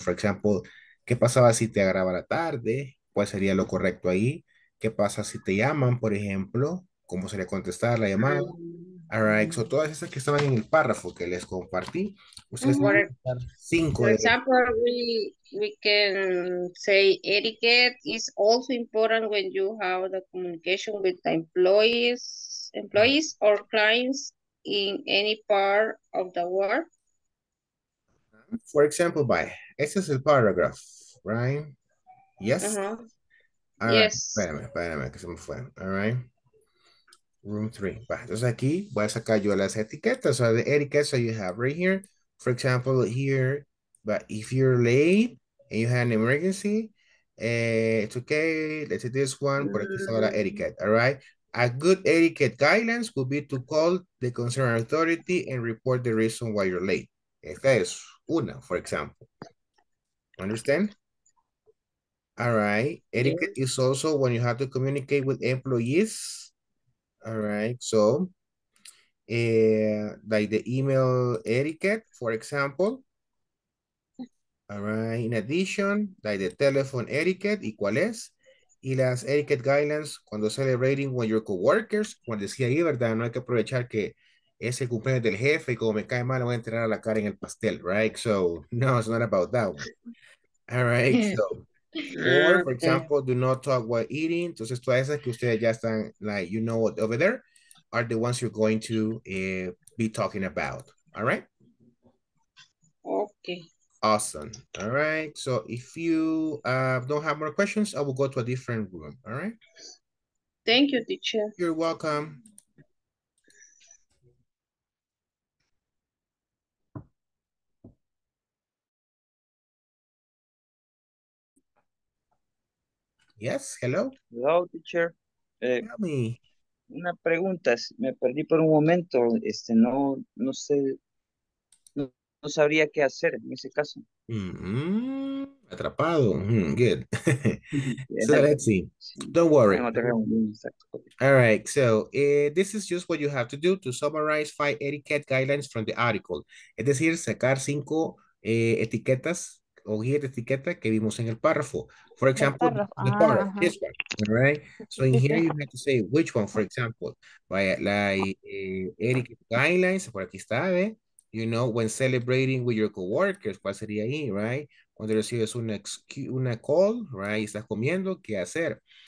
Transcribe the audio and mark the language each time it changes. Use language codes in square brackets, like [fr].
[en] For example, [es] ¿qué pasaba si te agarraba la tarde? ¿Cuál sería lo correcto ahí? ¿Qué pasa si te llaman, por ejemplo? ¿Cómo sería contestar la llamada? All right, so todas esas que estaban en el párrafo que les compartí, ustedes van a estar 5. [en] For example, we can say etiquette is also important when you have the communication with the employees or clients in any part of the world. For example, by, [es] ese es el [en] paragraph, right? Yes? Uh-huh. All right. Yes. [es] Espérame, que se me fue. All right. Room 3. Bah, entonces aquí voy a sacar yo las etiquetas. [en] So the etiquettes that you have right here. For example, here. But if you're late and you had an emergency, it's okay. Let's say this one. [es] Por aquí está la [en] etiquette. All right. A good etiquette guidelines would be to call the concerned authority and report the reason why you're late. [es] Esta es una, [en] for example. Understand? All right. Etiquette is also when you have to communicate with employees. All right, so like the email etiquette, for example. All right, in addition, like the telephone etiquette, [es] ¿y cuál es? Y las etiquette guidelines, cuando [en] celebrating with your coworkers, [es] cuando decía ahí, ¿verdad? No hay que aprovechar que es el cumpleaños del jefe y como me cae mal, voy a entrar a la cara en el pastel, right? [en] So, no, it's not about that one. All right, so. Or, for example, do not talk while eating. Entonces, [es] todas esas que ustedes ya están, [en] like, you know, over there, are the ones you're going to be talking about. All right? Okay. Awesome. All right. So if you don't have more questions, I will go to a different room. All right. Thank you, teacher. You're welcome. Yes. Hello. Hello, teacher. Tell me. [es] Una pregunta. Me perdí por un momento. No sé. No sabría qué hacer en ese caso. [en] Mm-hmm. Atrapado. Mm-hmm. Good. So let's see. Don't worry. All right. So this is just what you have to do to summarize 5 etiquette guidelines from the article. [es] Es decir, sacar 5 etiquetas o guía de etiqueta que vimos en el párrafo. [en] For example, the párrafo. Uh-huh. This one. All right. So in here you have to say which one, for example, like etiquette guidelines. [es] Por aquí está, ¿eh? [en] You know, when celebrating with your coworkers, [es] ¿cuál sería ahí, [en] right? [es] Cuando recibes una call, right? Estás comiendo, ¿qué hacer?